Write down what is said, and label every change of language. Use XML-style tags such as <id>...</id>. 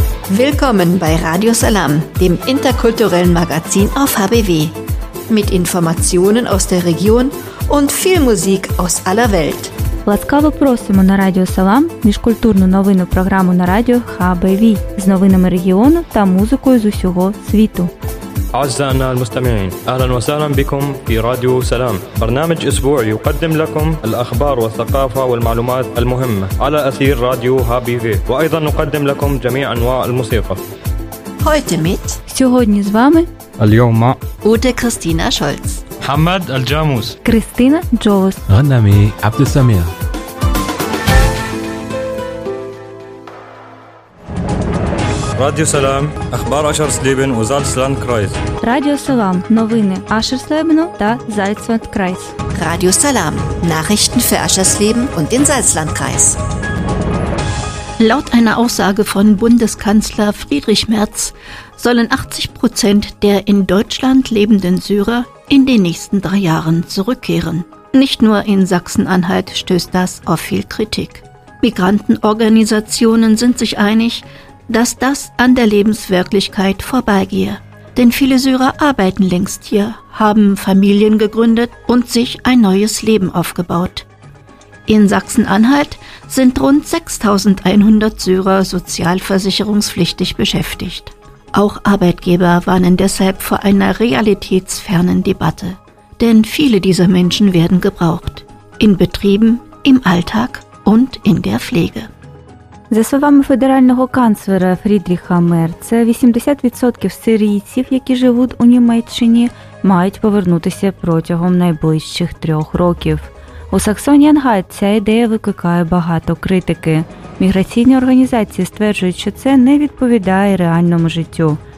<de>Willkommen bei Radio Salam, dem interkulturellen Magazin auf HBW. Mit Informationen aus der Region und viel Musik aus aller Welt.</de> <uk>Ласкаво просимо на Радіо Салам міжкультурну новинну програму на радіо HBV з новинами регіону та музикою з усього світу.</uk> <ar>أعزائنا المستمعين أهلا وسهلا بكم في راديو سلام برنامج أسبوع يقدم لكم الأخبار والثقافة والمعلومات المهمة على أثير راديو HBV وأيضا نقدم لكم جميع أنواع الموسيقى</ar> <de>Heute mit</de> <uk>Сьогодні з вами</uk> <ar>اليوم مع</ar> <de>Ute Christina Scholz</de> <ar>محمد الجاموس</ar> <de>Christina Jovis</de> <ar>غنامي عبد السمير Радіо Салам, Ахбар Ашерслібен у Зальцландкрайс.</ar> <uk>Радіо Салам, новини Ашерслібену та Зальцландкрайс.</uk> <de>Радіо Салам, Nachrichten für Ашерслібен und den Salzlandkreis. Laut einer Aussage von Bundeskanzler Friedrich Merz sollen 80% der in Deutschland lebenden Syrer in den nächsten 3 Jahren zurückkehren. Nicht nur in Sachsen-Anhalt stößt das auf viel Kritik. Migrantenorganisationen sind sich einig, dass das an der Lebenswirklichkeit vorbeigehe. Denn viele Syrer arbeiten längst hier, haben Familien gegründet und sich ein neues Leben aufgebaut. In Sachsen-Anhalt sind rund 6.100 Syrer sozialversicherungspflichtig beschäftigt. Auch Arbeitgeber warnen deshalb vor einer realitätsfernen Debatte. Denn viele dieser Menschen werden gebraucht. In Betrieben, im Alltag und in der Pflege.</de> <uk>За словами федерального канцлера Фрідріха Мерца, 80% сирійців, які живуть у Німеччині, мають повернутися протягом найближчих 3 років. У Саксонії-Анхальт ця ідея викликає багато критики. Міграційні організації стверджують, що це не відповідає реальному життю.</uk>